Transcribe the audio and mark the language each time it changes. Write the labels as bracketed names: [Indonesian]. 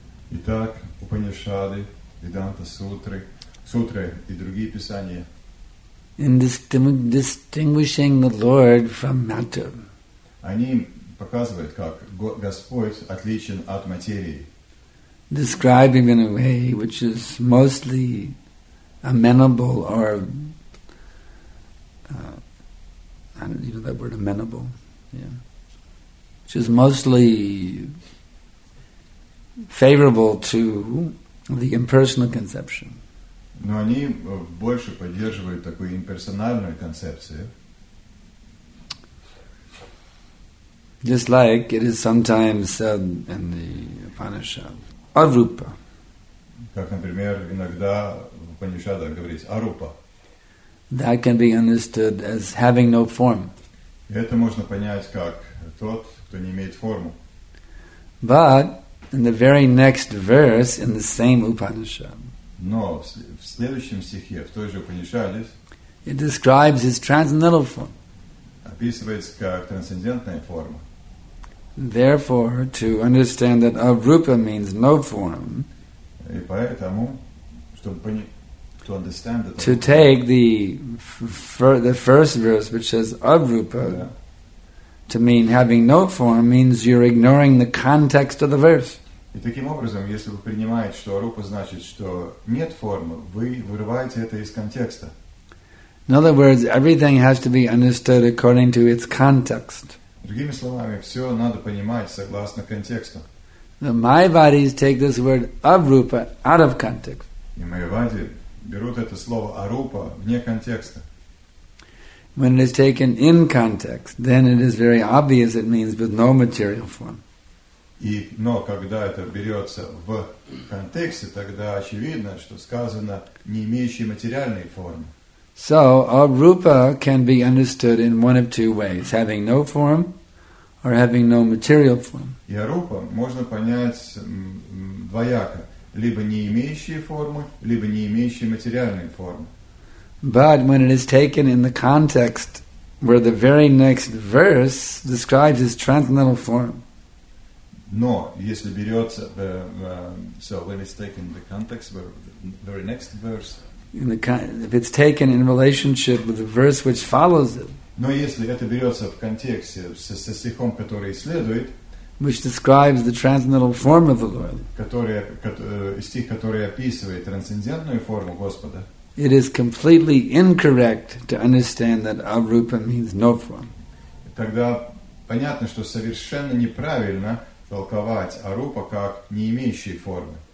[Russian] Итак, Упанишады, Веданта Сутры, Сутры и другие писания. [English] In distinguishing the Lord from matter. [Russian] Они показывают, как Господь отличен от материи. [English] Describing in a way which is mostly amenable or that word amenable, which is mostly favorable to the impersonal conception. [Russian] Но они больше поддерживают такую имперсональную концепцию. [English] Just like it is sometimes said in the Upanishad, Arupa. [Russian] Как, например, иногда в Упанишадах говорится Арупа. [English] That can be understood as having no form. [Russian] Это можно понять как тот, кто не имеет форму. [English] But in the very next verse in the same Upanishad. [Russian] Но в следующем стихе, в той же Упанишаде, [English] it describes his transcendental form. [Russian] Описывается как трансцендентная форма. [English] Therefore, to understand that avrupa means no form, [Russian] и поэтому, чтобы понять, [English] to understand that to take the first verse, which says avrupa, to mean having no form, means you're ignoring the context of the verse. [Russian] И таким образом, если вы принимаете, что арупа значит, что нет формы, вы вырываете это из контекста. [English] In other words, everything has to be understood according to its context. [Russian] Другими словами, все надо понимать согласно контексту. [English] The Майвадис take this word арупа out of context. [Russian] И майвади берут это слово арупа вне контекста. [English] When it is taken in context, then it is very obvious it means with no material form. [Russian] Но когда это берется в контексте, тогда очевидно, что сказано не имеющий материальной формы. [English] So, arupa can be understood in one of two ways, having no form or having no material form. [Russian] И арупа можно понять двояко, либо не имеющие формы, либо не имеющие материальной формы. [English] But when it is taken in the context where the very next verse describes its transcendental form, [Russian] но если берется, [English] so when it's taken in the context where the very next verse, if it's taken in relationship with the verse which follows it, [Russian] Но если это берется в контексте со стихом, который следует, [English] which describes the transcendental form of the Lord, [Russian] стих, который описывает трансцендентную форму Господа, [English] it is completely incorrect to understand that avrupa means no form. [Russian] Тогда понятно, что совершенно неправильно толковать арупа как не имеющий формы.